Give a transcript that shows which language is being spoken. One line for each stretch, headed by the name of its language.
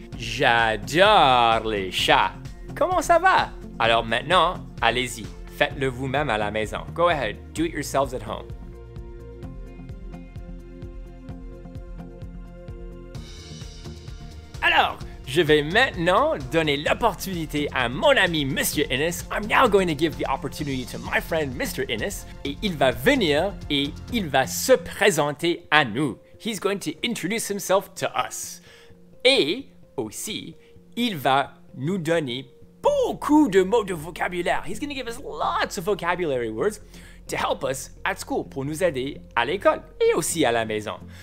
French: J'adore les chats. Comment ça va? Alors maintenant, allez-y. Faites-le vous-même à la maison.
English: Go ahead, do it yourselves at home.
French: Alors, je vais maintenant donner l'opportunité à mon ami Mr. Innes.
English: I'm now going to give the opportunity to my friend Mr. Innes.
French: Et il va venir et il va se présenter à nous.
English: He's going to introduce himself to us.
French: Et aussi, il va nous donner beaucoup de mots de vocabulaire.
English: He's going to give us lots of vocabulary words to help us at school,
French: pour nous aider à l'école et aussi à la maison.